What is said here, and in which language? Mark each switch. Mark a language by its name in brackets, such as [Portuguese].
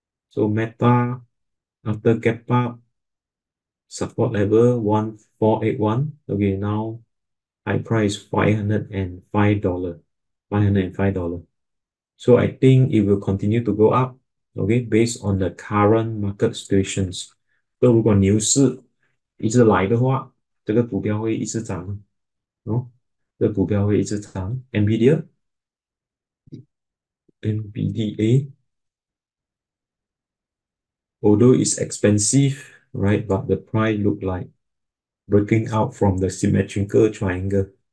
[English] So Meta, after gap up, support level 1481. Okay. Now, high price $505. $505. So I think it will continue to go up, okay, based on the current market situations. [Chinese] So 如果牛市一直来的话，这个股票会一直涨, no? 这个股票会一直涨. [English] NVIDIA, NVDA, although it's expensive, right, but the price look like breaking out from the symmetrical triangle.